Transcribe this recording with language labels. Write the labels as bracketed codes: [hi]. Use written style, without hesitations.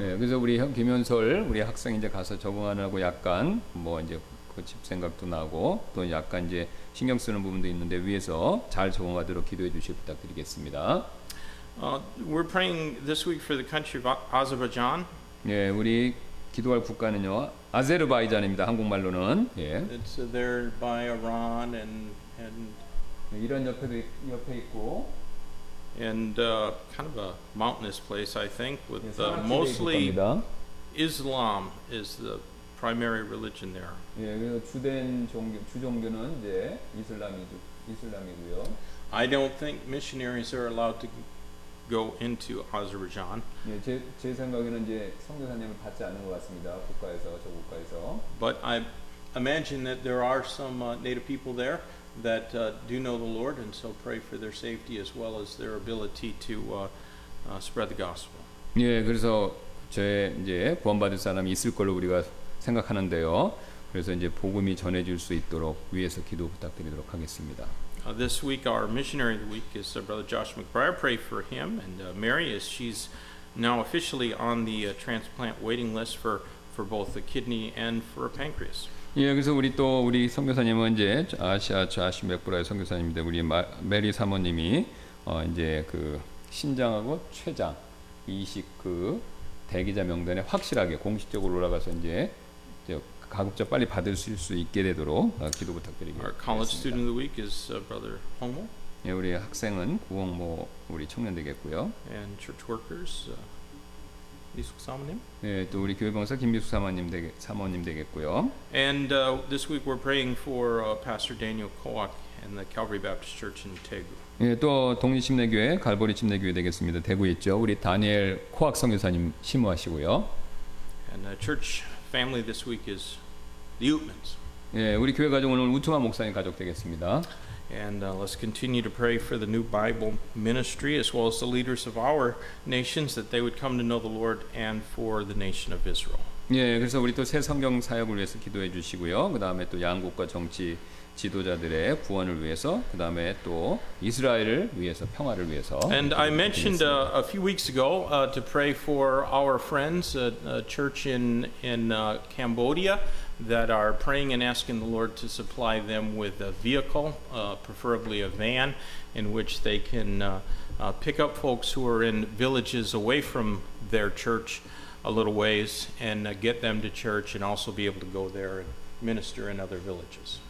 [ko] 네, 그래서 우리 김현솔 우리 학생 이제 가서 적응하고 약간 뭐 이제 그 집 생각도 나고 또 약간 이제 신경 쓰는 부분도 있는데 위에서 잘 적응하도록 기도해 주시길 부탁드리겠습니다. [en] We're praying this week for the country of Azerbaijan. [ko] 예, 우리 기도할 국가는요. 아제르바이잔입니다. 한국말로는. 예. [en] It's there by Iran and [ko] 이란 옆에 있고 [en] and kind of a mountainous place I think with 예, mostly Islam is the primary religion there. [ko] 예, 그래서 주된 종교, 주종교는 이제 이슬람이고요. [en] I don't think missionaries are allowed to go into Azerbaijan. [ko] 예, 제 생각에는 이제 선교사님을 받지 않는 것 같습니다. 국가에서 저 국가에서. [en] But I imagine that there are some native people there that do know the Lord and so pray for their safety as well as their ability to spread the gospel. [ko] 예, 그래서 제 이제 구원받을 사람이 있을 걸로 우리가 생각하는데요. 그래서 이제 복음이 전해질 수 있도록 위에서 기도 부탁드리도록 하겠습니다. [en] This week our missionary of the week is Brother Josh McBriar. Pray for him and Mary as she's now officially on the transplant waiting list for both the kidney and for a pancreas. [ko] 예, 그래서 우리 또 우리 선교사님은 이제 아시아 조시 맥브라이어 선교사님인데 우리 메리 사모님이 이제 그 신장하고 췌장 이식 그 대기자 명단에 확실하게 공식적으로 올라가서 이제 가급적 빨리 받으실 수 있게 되도록 기도 부탁드리겠습니다. [en] Our college student of the week is Brother Hongmo. [ko] 예, 우리 학생은 구홍모 우리 청년 되겠고요. [en] And church workers, 미숙 사모님. [ko] 예, 또 우리 교회 봉사 김미숙 사모님 되 사모님 되겠고요. [en] And this week we're praying for Pastor Daniel Kowak and the Calvary Baptist Church in Daegu. [ko] 예, 또 동일침례교회 갈보리 침례교회 되겠습니다. 대구 있죠. 우리 다니엘 코악 선교사님 심호하시고요. [en] And the church family this week is the Utmans. [ko] 예, 우리 교회 가족 오늘 우투마 목사님 가족 되겠습니다. [en] And let's continue to pray for the new Bible ministry as well as the leaders of our nations that they would come to know the Lord and for the nation of Israel. [ko] 예, 그래서 우리 또 새 성경 사역을 위해서 기도해 주시고요. 그다음에 또 양국과 정치 지도자들의 구원을 위해서 그다음에 또 이스라엘을 위해서 평화를 위해서 [en] And I mentioned a few weeks ago to pray for our friends a church in Cambodia that are praying and asking the Lord to supply them with a vehicle preferably a van in which they can pick up folks who are in villages away from their church a little ways and get them to church and also be able to go there and minister in other villages.